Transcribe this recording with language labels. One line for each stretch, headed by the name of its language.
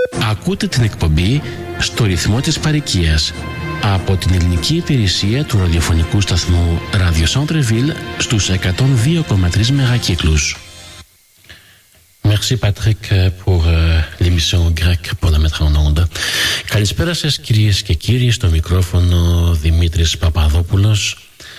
Greek: Ακούτε την εκπομπή στο ρυθμό της παροικίας από την ελληνική υπηρεσία του ραδιοφωνικού σταθμού Radio Centreville στους 102,3 μεγακύκλους.
French: Merci Patrick pour l'émission grecque pour la mettre en onde.
Greek: Καλησπέρα σας κυρίες και κύριοι, στο μικρόφωνο Δημήτρης Παπαδόπουλος.